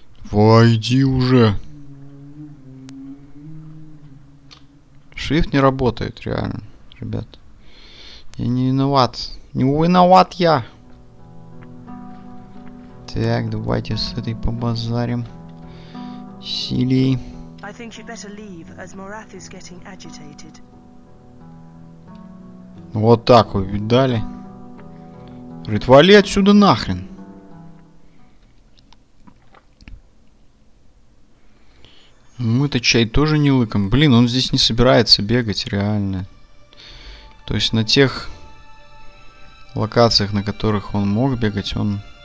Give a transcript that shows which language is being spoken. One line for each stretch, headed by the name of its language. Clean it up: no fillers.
Russian: Войди уже. Шрифт не работает, реально, ребят. Я не виноват. Не виноват я. Так, давайте с этой побазарим. Сили.
English: I think you'd better leave, as Morath is getting agitated.
Russian: Вот так вы видали. Говорит, вали отсюда нахрен. Мы-то чай тоже не лыком. Блин, он здесь не собирается бегать, реально. То есть на тех локациях, на которых он мог бегать, он...